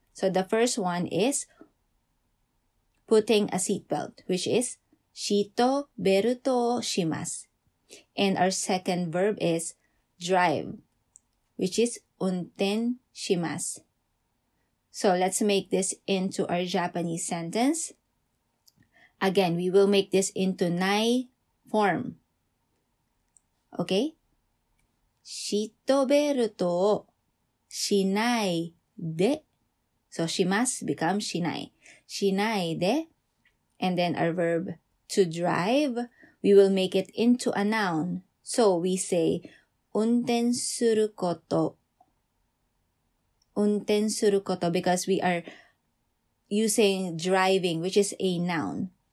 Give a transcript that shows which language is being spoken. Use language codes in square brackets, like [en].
[en] So the first one is putting a seatbelt, which is [ja] シートベルトをします. [en] And our second verb is drive, which is 運転します. So let's make this into our Japanese sentence. Again, we will make this into ない form. Okay? [ja] シートベルトをしないで. So, します becomes しない.しないで. [en] And then our verb to drive, we will make it into a noun. So, we say [ja] 運転すること. 運転すること [en] because we are using driving, which is a noun.